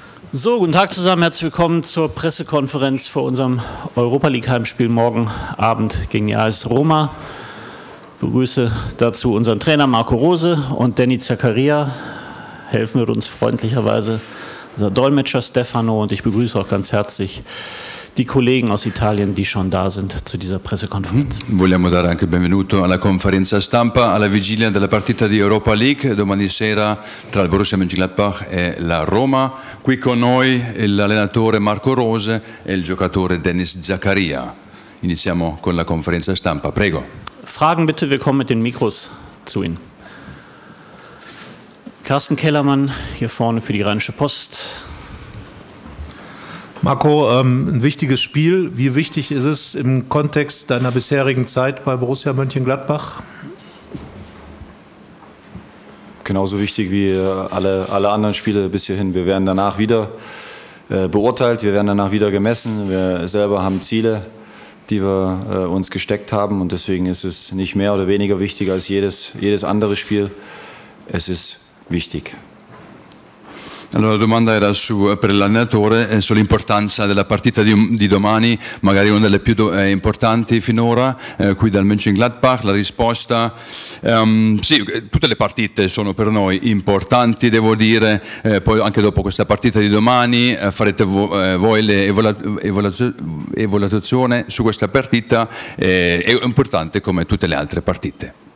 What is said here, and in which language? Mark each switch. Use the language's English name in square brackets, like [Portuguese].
[German] So, guten Tag zusammen, herzlich willkommen zur Pressekonferenz vor unserem Europa League Heimspiel morgen Abend gegen die AS Roma. Begrüße dazu unseren Trainer Marco Rose und Danny Zakaria. Helfen wird uns freundlicherweise unser Dolmetscher Stefano und ich begrüße auch ganz herzlich die Kollegen aus Italien, die schon da sind zu dieser Pressekonferenz. [Italian] Vogliamo dare anche benvenuto alla conferenza stampa alla vigilia della partita di Europa League domani sera tra il Borussia Mönchengladbach e la Roma. Qui con noi l'allenatore Marco Rose e il giocatore Dennis Zakaria. Iniziamo con la conferenza stampa, prego. [German] Fragen bitte, wir kommen mit den Mikros zu Ihnen. Carsten Kellermann hier vorne für die Rheinische Post. Marco, ein wichtiges Spiel. Wie wichtig ist es im Kontext deiner bisherigen Zeit bei Borussia Mönchengladbach? Genauso wichtig wie alle anderen Spiele bis hierhin. Wir werden danach wieder beurteilt, wir werden danach wieder gemessen. Wir selber haben Ziele, die wir uns gesteckt haben. Und deswegen ist es nicht mehr oder weniger wichtig als jedes andere Spiel. Es ist wichtig. [Italian] Allora la domanda era su, per l'allenatore sull'importanza della partita di domani, magari una delle più importanti finora qui dal Mönchengladbach. La risposta, sì, tutte le partite sono per noi importanti, devo dire, poi anche dopo questa partita di domani farete voi l'evaluazione su questa partita, è importante come tutte le altre partite.